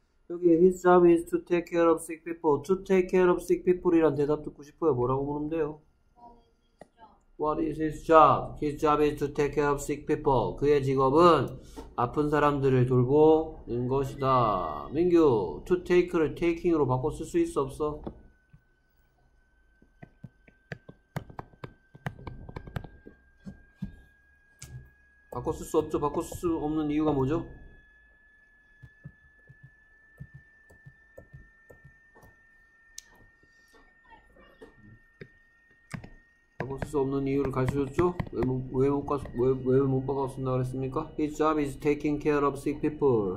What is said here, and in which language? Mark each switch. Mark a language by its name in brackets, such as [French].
[Korean] 여기 [English] his job is to take care of sick people. To take care of sick people [Korean] 이란 대답 듣고 싶어요. 뭐라고 부르면 돼요? [English] What is his job? His job is to take care of sick people. [Korean] 그의 직업은 아픈 사람들을 돌보는 것이다. 민규, to take를 taking으로 바꿔 쓸 수 있어 없어? 바꿔 쓸 수 없죠. 바꿔 쓸 수 없는 이유가 뭐죠? 수 없는 이유를 가르쳐줬죠? 왜 못 바꿨나 그랬습니까? [English] His job is taking care of sick people.